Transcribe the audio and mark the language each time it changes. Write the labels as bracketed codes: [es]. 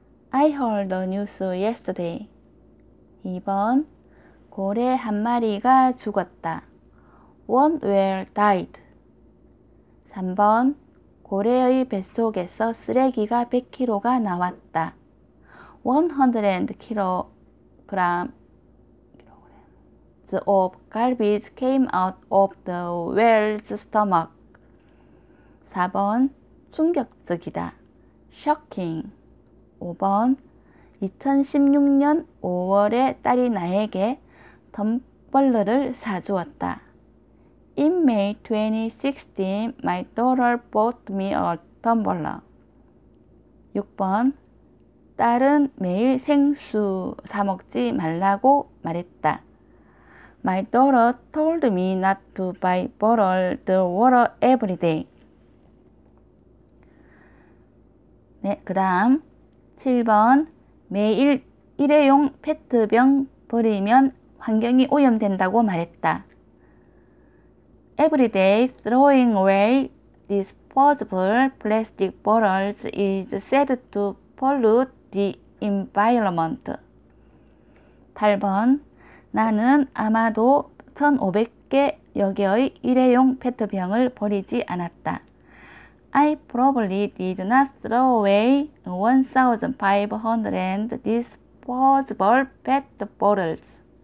[en] I heard the news yesterday. [ko] 2번. 고래 한 마리가 죽었다. [en] One whale died. [ko] 3번. 고래의 뱃속에서 쓰레기가 100kg가 나왔다. [en] 100 kg of garbage came out of the whale's stomach. [ko] 4번, 충격적이다. [en] Shocking. [ko] 5번, 2016년 5월에 딸이 나에게 덤벌러를 사주었다. [en] In May 2016, my daughter bought me a tumbler. [ko] 6번, 딸은 매일 생수 사 먹지 말라고 말했다. [en] My daughter told me not to buy bottled water every day. [ko] 네, 그 다음 7번 매일 일회용 페트병 버리면 환경이 오염된다고 말했다. [en] Every day throwing away disposable plastic bottles is said to pollute the environment. [ko] 8번. 나는 아마도 1500개 여개의 일회용 페트병을 버리지 않았다. [en] I probably did not throw away 1500 disposable PET bottles.